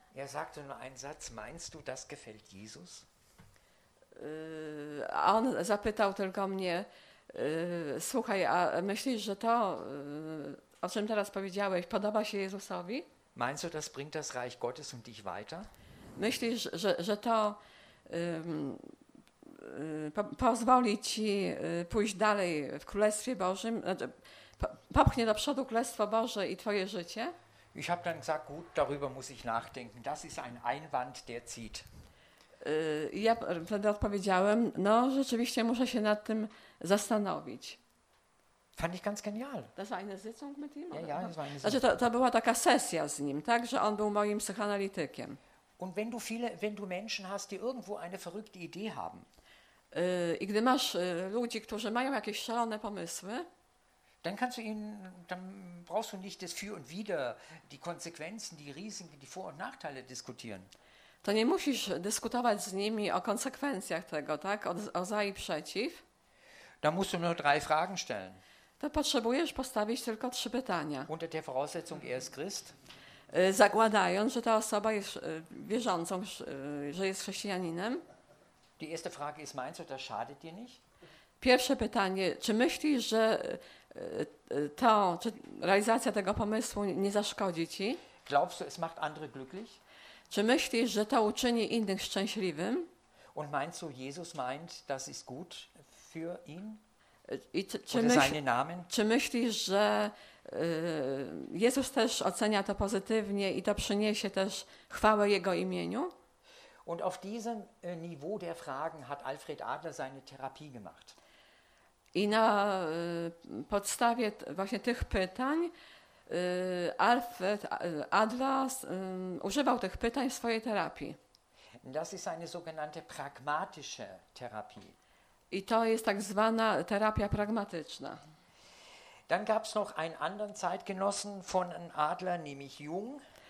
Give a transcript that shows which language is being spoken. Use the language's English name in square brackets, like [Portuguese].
[German] Er sagte nur einen Satz, meinst du, das gefällt Jesus? [Polish] On zapytał tylko mnie, słuchaj, a myślisz, że to, o czym teraz powiedziałeś, podoba się Jezusowi? [German] Meinst du, das bringt das Reich Gottes und dich weiter? [Polish] Myślisz, że to pozwoli ci pójść dalej w Królestwie Bożym, znaczy, popchnie do przodu Królestwo Boże i twoje życie? [German] Ich habe dann gesagt, gut, darüber muss ich nachdenken. Das ist ein Einwand, der zieht. [Polish] Ja wtedy odpowiedziałem, no rzeczywiście muszę się nad tym zastanowić. [German] Fand ich ganz genial. Das war eine Sitzung mit ihm? Ja, das war eine Sitzung. [Polish] Znaczy, to była taka sesja z nim, tak, że on był moim psychoanalitykiem. [German] Und wenn du viele, wenn du Menschen hast, die irgendwo eine verrückte Idee haben. [Polish] I gdy masz ludzi, którzy mają jakieś szalone pomysły, [German] dann kannst du ihnen, dann brauchst du nicht das für und wider, die Konsequenzen, die Risiken, die Vor- und Nachteile diskutieren. [Polish] To nie musisz dyskutować z nimi o konsekwencjach tego, tak, o za i przeciw. [German] Da musst du nur drei Fragen stellen. [Polish] To potrzebujesz postawić tylko trzy pytania. [German] Unter der Voraussetzung, er ist Christ. [Polish] Zakładając, że ta osoba jest wierzącą, że jest chrześcijaninem. [German] Die erste Frage ist, meinst du, das schadet dir nicht? [Polish] Pierwsze pytanie, czy myślisz, że to, czy realizacja tego pomysłu nie zaszkodzi ci? [German] Glaubst du, es macht andere glücklich? [Polish] Czy myślisz, że to uczyni innych szczęśliwym? [German] Und meinst du, Jesus meint, das ist gut für ihn? [Polish] I czy myślisz, że Jezus też ocenia to pozytywnie i to przyniesie też chwałę Jego imieniu? [German] Und auf diesem Niveau der Fragen hat Alfred Adler seine Therapie gemacht. [Polish] I na podstawie właśnie tych pytań Alfred Adler używał tych pytań w swojej terapii. [German] Das ist eine sogenannte pragmatische Therapie. [Polish] I to jest tak zwana terapia pragmatyczna. [German] Dann gab's noch einen anderen Zeitgenossen von Adler, nämlich Jung.